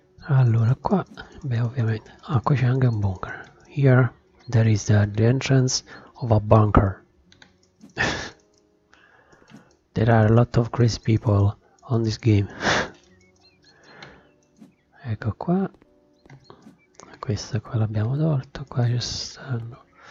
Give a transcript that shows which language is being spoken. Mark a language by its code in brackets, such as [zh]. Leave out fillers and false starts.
[it] Allora qua, beh ovviamente, ah qua c'è anche un bunker. [en] Here there is the entrance of a bunker. There are a lot of crazy people on this game. [it] Ecco qua, questo qua l'abbiamo tolto, qua ci stanno.